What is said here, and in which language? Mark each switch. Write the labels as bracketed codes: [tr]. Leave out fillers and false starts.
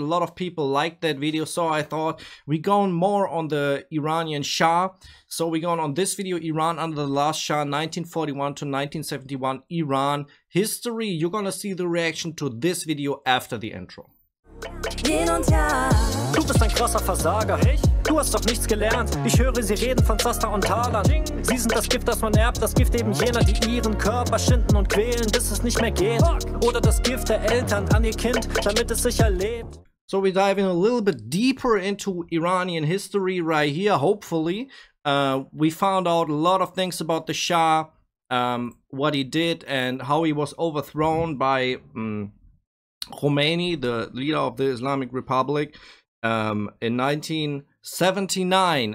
[en] A lot of people liked that video, so I thought we going more on the Iranian Shah. So we going on this video, Iran under the last Shah, 1941 to 1971 Iran history. You're gonna see the reaction to this video after the intro. [de] Hin und her. Du bist ein krasser Versager. Du hast doch nichts gelernt. Ich höre sie reden von Zaster und Talern. Sie sind das Gift, das man erbt. Das Gift eben jener, die ihren Körper schinden und quälen, bis es nicht mehr geht. Oder das Gift der Eltern an ihr Kind, damit es sich erlebt. [en] So we dive in a little bit deeper into Iranian history right here, hopefully. We found out a lot of things about the Shah, what he did and how he was overthrown by Khomeini, the leader of the Islamic Republic, in 1979.